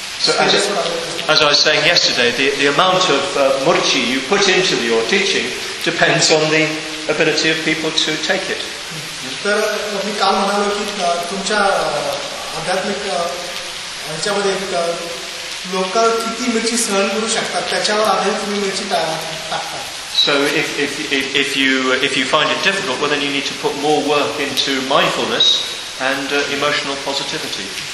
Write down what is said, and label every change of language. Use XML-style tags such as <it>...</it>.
<en>So as I was saying yesterday, the amount of murchi you put into your teaching depends on the ability of people to take it.</en> <mr>तर मी काल म्हणालो की तुमच्या आध्यात्मिक ह्याच्यामध्ये local किती मिरची सहन करू शकतात त्याच्यावर आधारित तुम्ही मिरची टाकता.</mr> <en>So if you find it difficult, well then you need to put more work into mindfulness and emotional positivity.</en>